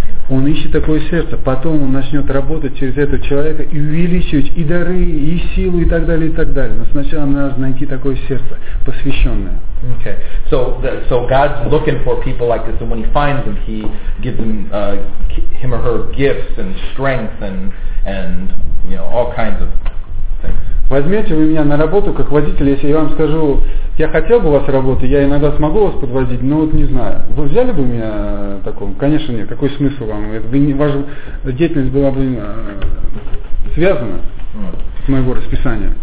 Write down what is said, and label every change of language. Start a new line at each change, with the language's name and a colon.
Russian: Он ищет такое сердце, потом он начнет работать через этого человека и увеличивать и дары, и силу, и так далее, и так далее. Но сначала надо найти такое сердце, посвященное.
English: Okay. So God's looking for people like this, and when He finds them, He gives them him or her gifts and strength and you know, all kinds of things.
Russian: Возьмете вы меня на работу как водитель, если я вам скажу, я хотел бы у вас работать, я иногда смогу вас подвозить, но вот не знаю. Вы взяли бы меня таком? Конечно нет. Какой смысл вам? Ваша деятельность была бы связана с моего расписания.